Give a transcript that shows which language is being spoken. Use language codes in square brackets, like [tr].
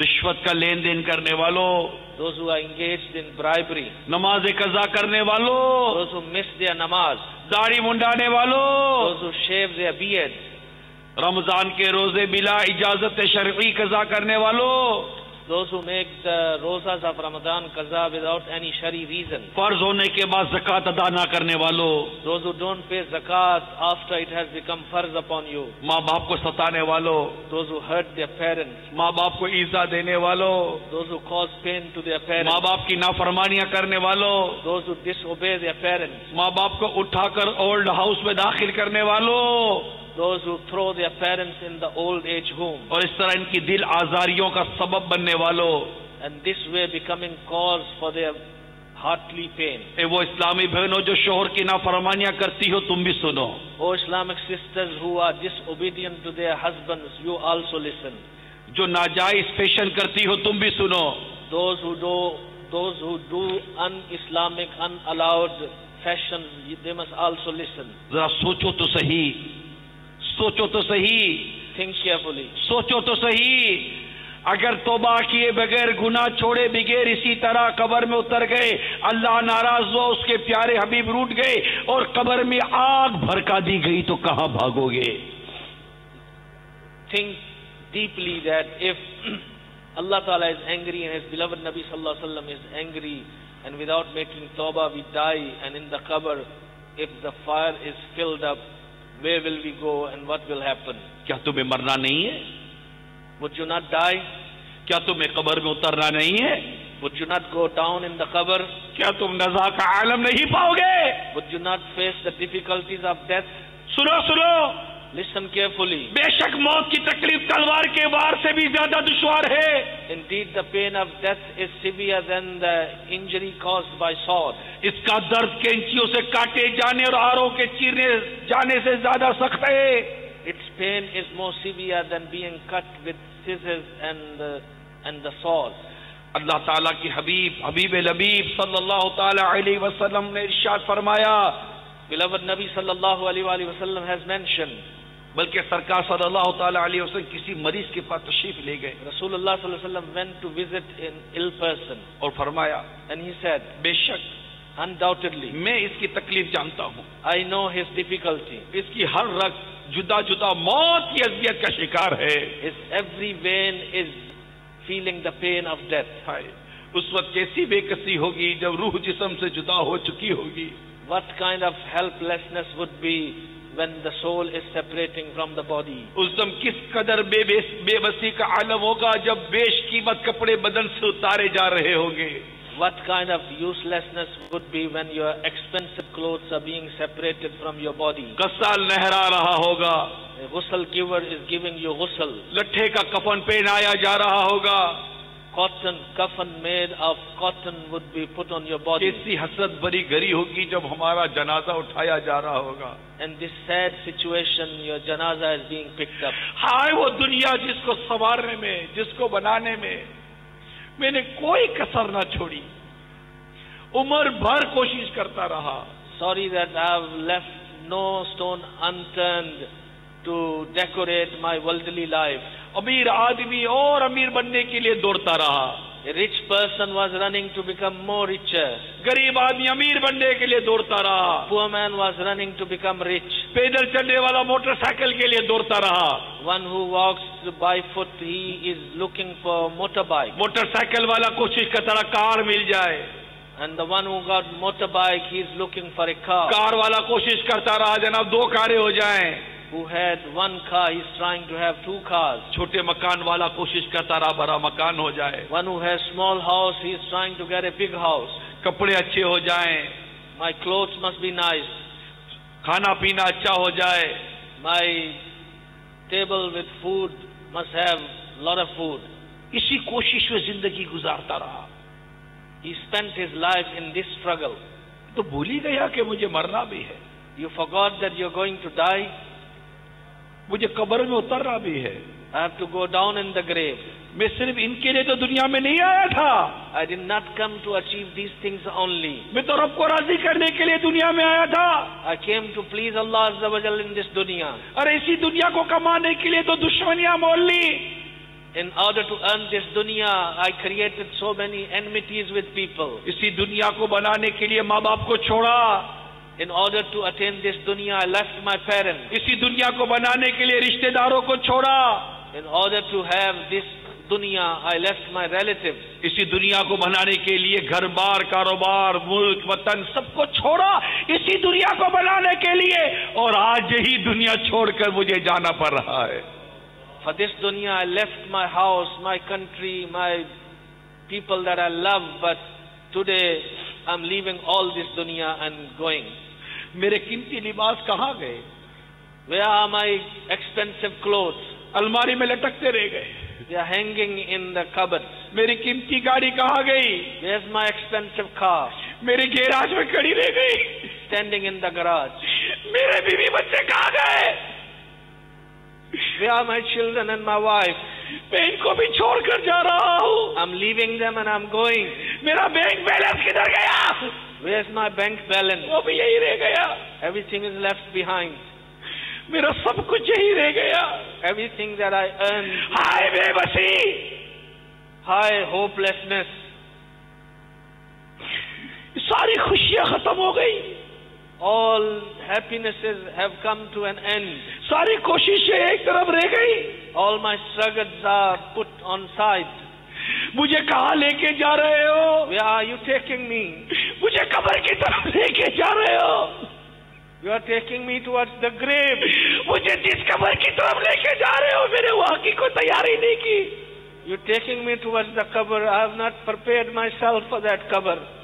[ur] رشوت کا لین دین کرنے والوں, [en] those who are engaged in bribery, [ur] نماز قضا کرنے والوں, [en] those who miss their نماز, [ur] داڑھی منڈانے والوں, [en] those who shave their beard, [ur] رمضان کے روزے بلا اجازت شرعی قضا کرنے والوں, [en] those who make the روزہ of Ramadan قضا without any شرعی reason, [ur] فرض ہونے کے بعد زکات ادا نہ کرنے والوں, [en] those who don't pay زکات after it has become فرض upon you, [ur] ماں باپ کو ستانے والوں, [en] those who hurt their parents, [ur] ماں باپ کو ایذا دینے والوں, [en] those who cause pain to their parents, [ur] ماں باپ کی نافرمانیاں کرنے والوں, [en] those who disobey their parents, [ur] ماں باپ کو اٹھا کر اولڈ ہاؤس میں داخل کرنے والوں, [en] those who throw their parents in the old age home, [ur] اور اس طرح ان کی دل آزاریوں کا سبب بننے والوں, [en] and this way becoming cause for their heartly pain, [ur] اے وہ اسلامی بہنوں جو شوہر کی نافرمانیاں کرتی ہو تم بھی سنو, [en] او Islamic sisters who are disobedient to their husbands, you also listen, [ur] جو ناجائز فیشن کرتی ہو تم بھی سنو, [en] those who do un-Islamic, unallowed fashion, they must also listen, [ur] ذرا سوچو تو صحیح, سوچو تو صحیح, [en] think carefully, [ur] سوچو تو صحیح, اگر توبہ کیے بغیر گناہ چھوڑے بغیر اسی طرح قبر میں اتر گئے, اللہ ناراض ہوا, اس کے پیارے حبیب روٹ گئے اور قبر میں آگ بھڑکا دی گئی, تو کہاں بھاگو گے؟ [en] think deeply that if Allah تعالیٰ is angry and his beloved نبی [ar] صلی اللہ علیہ وسلم [en] is angry and without making توبہ we die and in the قبر if the fire is filled up, where will we go and what will happen? [ur] کیا تمہیں مرنا نہیں ہے؟ [en] Would you not die? [ur] کیا تمہیں قبر میں اترنا نہیں ہے؟ [en] Would you not go down in the قبر? [ur] کیا تم نزا کا عالم نہیں پاؤ گے؟ [en] Would you not face the difficulties of death? [ur] سنو سنو, [en] listen carefully, [ur] بے شک موت کی تکلیف تلوار کے وار سے بھی زیادہ دشوار ہے. [en] Indeed the pain of death is severe than the injury caused by sword, [ur] اس کا درد کینچیوں سے کاٹے جانے اور آروں کے چیرنے جانے سے زیادہ سخت ہے. [en] Its pain is more severe than being cut with scissors and the sword. [ur] اللہ تعالیٰ کی حبیب لبیب صلی اللہ تعالی علیہ وسلم نے ارشاد فرمایا, [en] beloved نبی [ar] صلی اللہ علیہ وآلہ وسلم [en] has mentioned, [ur] بلکہ سرکار صلی اللہ تعالی علیہ وسلم کسی مریض کے پاس تشریف لے گئے, [en] رسول اللہ [ar] صلی اللہ علیہ وسلم [en] went to visit an ill person, [ur] اور فرمایا, [en] and he said, [ur] بے شک, [en] undoubtedly, [ur] میں اس کی تکلیف جانتا ہوں, [en] I know his difficulty, [ur] اس کی ہر رگ جدا جدا موت کی اذیت کا شکار ہے, [en] his every vein is feeling the pain of death, [ur] اس وقت کیسی بے کسی ہوگی جب روح جسم سے جدا ہو چکی ہوگی, [en] what kind of helplessness would be when the soul is separating from the body, [ur] اس دم کس قدر بے بسی کا عالم ہوگا جب بیش قیمت کپڑے بدن سے اتارے جا رہے ہوں گے, [en] what kind of uselessness would be when your expensive clothes are being separated from your body, [ur] غسل نہرا رہا ہوگا, [en] a غسل giver is giving you غسل, [ur] لٹھے کا کفن پہنایا جا رہا ہوگا, [en] cotton coffin made of cotton would be put on your body, [ur] کیسی حسرت بری گھری ہوگی جب ہمارا جنازہ اٹھایا جا رہا ہوگا, [en] and this sad situation your janaza is being picked up, [ur] ہائے وہ دنیا جس کو سوارنے میں جس کو بنانے میں میں نے کوئی کسر نہ چھوڑی, عمر بھر کوشش کرتا رہا, [en] sorry that I have left no stone unturned to decorate my worldly life, [ur] امیر آدمی اور امیر بننے کے لیے دوڑتا رہا, [en] a rich person was running to become more richer, [ur] غریب آدمی امیر بننے کے لیے دوڑتا رہا, [en] a poor man was running to become rich, [ur] پیدل چلنے والا موٹر سائیکل کے لیے دوڑتا رہا, [en] one who walks by foot he is looking for motorbike, [ur] motor cycle والا کوشش کرتا رہا کار مل جائے, [en] and the one who got motorbike he is looking for a car, [ur] کار والا کوشش کرتا رہا جناب دو کارے ہو جائیں, [en] who had one car he is trying to have two cars, [ur] چھوٹے مکان والا کوشش کرتا رہا بڑا مکان ہو جائے, [en] one who has small house he is trying to get a big house, [ur] کپڑے اچھے ہو جائیں, [en] my clothes must be nice, [ur] کھانا پینا اچھا ہو جائے, [en] my table with food must have lot of food. [ur] اسی کوشش میں زندگی گزارتا رہا. [en] He spent his life in this struggle. [ur] تو بھولی گیا کہ مجھے مرنا بھی ہے. [en] You forgot that you're going to die. [ur] مجھے قبر میں اترنا بھی ہے. [en] I have to go down in the grave. [ur] میں صرف ان کے لیے تو دنیا میں نہیں آیا تھا. [en] I did not come to achieve these things only. [ur] میں تو رب کو راضی کرنے کے لیے دنیا میں آیا تھا. [en] I came to please Allah [ar] عز و جل [en] in this دنیا. [ur] ارے اسی دنیا کو کمانے کے لیے تو دشمنیاں مول لی. [en] In order to earn this dunya, I created so many enmities with people. [ur] اسی دنیا کو بنانے کے لیے ماں باپ کو چھوڑا. [en] In order to attain this dunya, I left my parents. [ur] اسی دنیا کو بنانے کے لیے رشتہ داروں کو چھوڑا. [en] In order to have this dunya, I left my relatives. [ur] اسی دنیا کو بنانے کے لیے گھر بار کاروبار ملک وطن سب کو چھوڑا. اسی دنیا کو بنانے کے لیے اور آج یہی دنیا چھوڑ کر مجھے جانا پڑ رہا ہے. [en] For this dunya, I left my house, my country, my people that I love, but today I'm leaving all this dunya and going. [ur] میرے قیمتی لباس کہاں گئے؟ [en] Where are my expensive clothes? [ur] الماری میں لٹکتے رہ گئے. [en] They are hanging in the cupboards. [ur] میری قیمتی گاڑی کہاں گئی؟ [en] Where's my expensive car? [ur] میرے گیراج میں کھڑی رہ گئی. [en] Standing in the garage. [ur] میرے بیوی بچے کہاں گئے؟ [en] Where are my children and my wife? [ur] میں ان کو بھی چھوڑ کر جا رہا ہوں. [en] I'm leaving them and I'm going. [ur] میرا بینک بیلنس کدھر گیا؟ [en] Where's my bank balance? [ur] وہ بھی یہی رہ گیا. [en] Everything is left behind. [ur] میرا سب کچھ یہی رہ گیا. [en] Everything that I earned. [ur] ہائے بے بسی. [en] ہائے hopelessness. [ur] ساری خوشیاں ختم ہو گئی. [en] All happinesses have come to an end. [ur] ساری کوششیں ایک طرف رہ گئی. [en] All my struggles are put on side. [ur] مجھے کہاں لے کے جا رہے ہو؟ [en] Where are you taking me? [ur] مجھے قبر کی طرف لے کے جا رہے ہو؟ [en] You are taking me towards the grave. [ur] مجھے جس قبر کی طرف لے کے جا رہے ہو میرے وہاں کی کوئی تیاری نہیں کی. [en] You're taking me towards the cover. I have not prepared myself for that cover.